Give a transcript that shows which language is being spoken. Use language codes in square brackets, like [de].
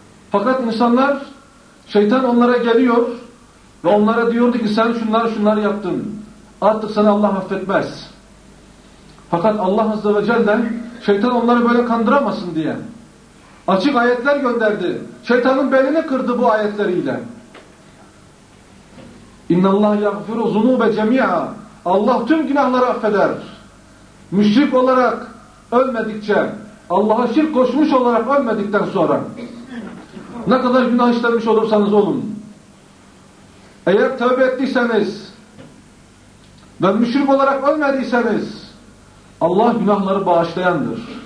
[tr] Fakat insanlar, şeytan onlara geliyor ve onlara diyordu ki sen şunları şunları yaptın. Artık seni Allah affetmez. Fakat Allah azze ve celle şeytan onları böyle kandıramasın diye açık ayetler gönderdi. Şeytanın belini kırdı bu ayetleriyle. [ar] اِنَّ اللّٰهِ يَغْفِرُ ذُنُوبَ جَمِيعًا [tr] Allah tüm günahları affeder. Müşrik olarak ölmedikçe, Allah'a şirk koşmuş olarak ölmedikten sonra ne kadar günah işlemiş olursanız olun, eğer tövbe ettiyseniz ve müşrik olarak ölmediyseniz Allah günahları bağışlayandır.